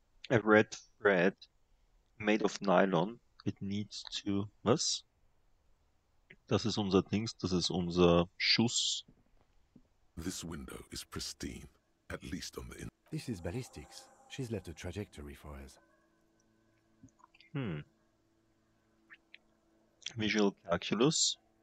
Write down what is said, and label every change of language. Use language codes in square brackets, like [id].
[en] A red thread. Made of nylon, it needs to... [de] Was? Das ist unser Dings, das ist unser Schuss. [en] This window is pristine, at least on the in... This is ballistics. She's left a trajectory for us. Visual calculus.